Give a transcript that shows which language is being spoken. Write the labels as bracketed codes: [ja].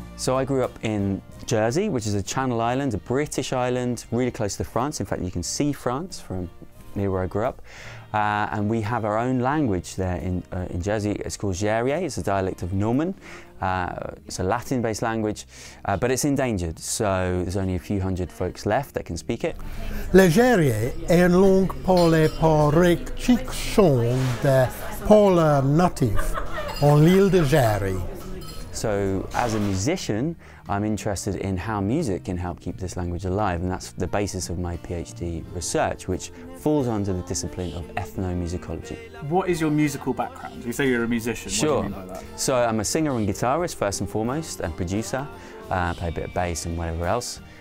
[en] So I grew up in Jersey, which is a Channel Island, a British island, really close to France. In fact, you can see France from near where I grew up. And we have our own language there in Jersey. It's called Jèrriais. It's a dialect of Norman. It's a Latin-based language, but it's endangered. So there's only a few hundred folks left that can speak it. [fr] Le Jèrriais est une langue parlée par extinction de parleurs natifs en l'île de Jèrriais. [en] So as a musician, I'm interested in how music can help keep this language alive, and that's the basis of my PhD research, which falls under the discipline of ethnomusicology. What is your musical background? You say you're a musician, sure. What do you mean by that? So I'm a singer and guitarist first and foremost, and producer. I play a bit of bass and whatever else.